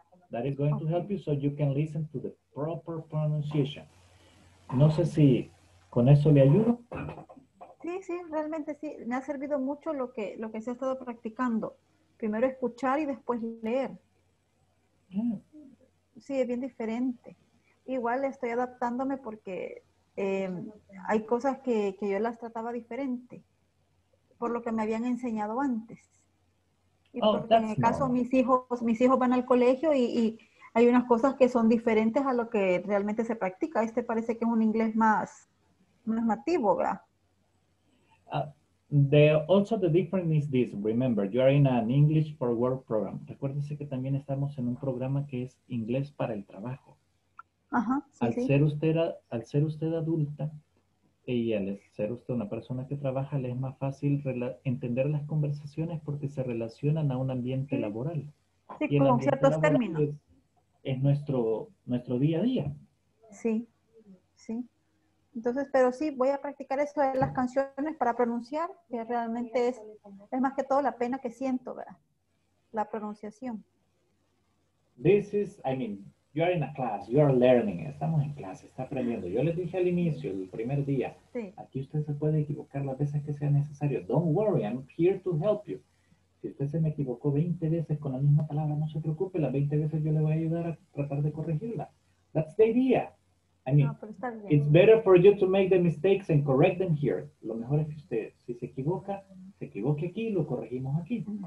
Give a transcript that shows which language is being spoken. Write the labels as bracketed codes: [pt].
[en] That is going to help you so you can listen to the proper pronunciation. [es] No sé si con eso le ayudo. Sí, sí, realmente sí. Me ha servido mucho lo que se ha estado practicando. Primero escuchar y después leer. Sí, es bien diferente. Igual estoy adaptándome porque hay cosas que yo las trataba diferente por lo que me habían enseñado antes. Y oh, porque en el caso mis hijos van al colegio y hay unas cosas que son diferentes a lo que realmente se practica. Este parece que es un inglés más, más nativo, ¿verdad? [en] Also the difference is this. Remember, you are in an English for Work program. [es] Recuérdese que también estamos en un programa que es inglés para el trabajo. Ajá, sí, sí. Al ser usted adulta y al ser usted una persona que trabaja, le es más fácil entender las conversaciones porque se relacionan a un ambiente laboral. Sí, con ciertos términos. Es nuestro, nuestro día a día. Sí, sí. Entonces, pero sí, voy a practicar esto de las canciones para pronunciar, que realmente es más que todo la pena que siento, ¿verdad? La pronunciación. [en] This is, I mean, you are in a class, you are learning, [es] estamos en clase, está aprendiendo. Yo les dije al inicio, el primer día, sí. Aquí usted se puede equivocar las veces que sea necesario. [en] Don't worry, I'm here to help you. [es] Si usted se me equivocó 20 veces con la misma palabra, no se preocupe, las 20 veces yo le voy a ayudar a tratar de corregirla. [en] That's the idea. I mean, [es] no, pero está bien. [en] It's better for you to make the mistakes and correct them here. [es] Lo mejor es que usted, si se equivoca, se equivoque aquí y lo corregimos aquí.